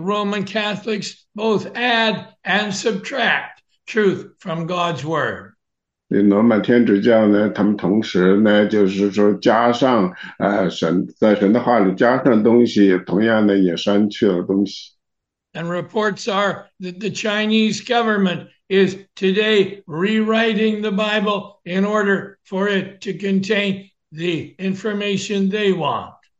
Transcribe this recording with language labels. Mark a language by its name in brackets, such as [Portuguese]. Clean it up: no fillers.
[English] Roman Catholics both add and subtract truth from God's word. [Chinese] 罗马天主教呢，他们同时呢，就是说加上神在神的话里加上东西，同样呢也删去了东西。And [English] reports are that the Chinese government is today rewriting the Bible in order for it to contain the information they want.